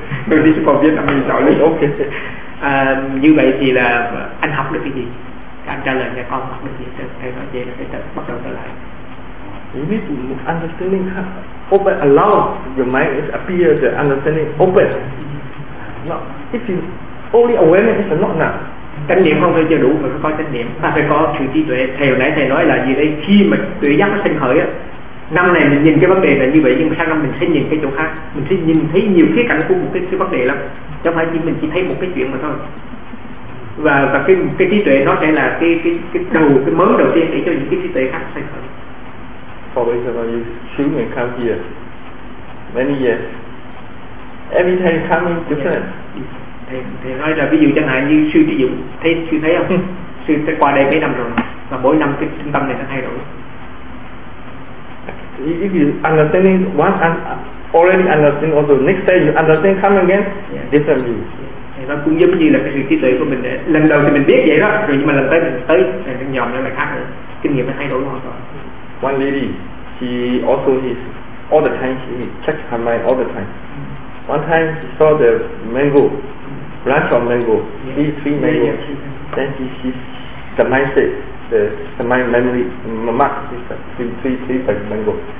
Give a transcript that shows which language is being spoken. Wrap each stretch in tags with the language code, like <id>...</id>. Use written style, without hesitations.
<vi>tôi đi xuống phòng viên năm mươi sáu lên ok à, như vậy thì là anh học được cái gì anh trả lời nghe con học được gì thầy nói vậy là phải tập bắt đầu trở lại</vi> <en>you need to understanding open allow your mind is appear the understanding open no if you only awareness is not enough</en> <vi>chánh niệm không phải chưa đủ mà phải có chánh niệm ta phải có sự trí tuệ thầy hồi nãy thầy nói là gì đây khi mà tuệ giác nó sinh khởi á năm này mình nhìn cái vấn đề là như vậy nhưng mà sang năm mình sẽ nhìn cái chỗ khác mình sẽ nhìn thấy nhiều khía cạnh của một cái vấn đề lắm chứ không phải chỉ mình chỉ thấy một cái chuyện mà thôi và cái trí tuệ nó sẽ là cái đầu cái mớ đầu tiên để cho những cái trí tuệ khác sinh khởi.</vi> <en>For example, you choose and come here many years every time coming different.</en> <vi>Thì nói là ví dụ chẳng hạn như sư thí dụ thấy sư thấy không sư sẽ qua đây mấy năm rồi và mỗi năm cái trung tâm này nó thay đổi.</vi> <en>If you understanding one and already understanding also next time you understand come again different view.</en> <vi>Thì nó cũng giống như là cái sự trí tuệ của mình để, lần đầu thì mình biết vậy đó rồi nhưng mà lần tới mình tới mình nhòm nó lại khác nữa kinh nghiệm nó thay đổi hoàn toàn.</vi> <en>One lady she also is all the time she checks her mind all the time. One time she saw the mango branch of mango, these three mango. Then she the mind said the mind memory mark is three mango.</en>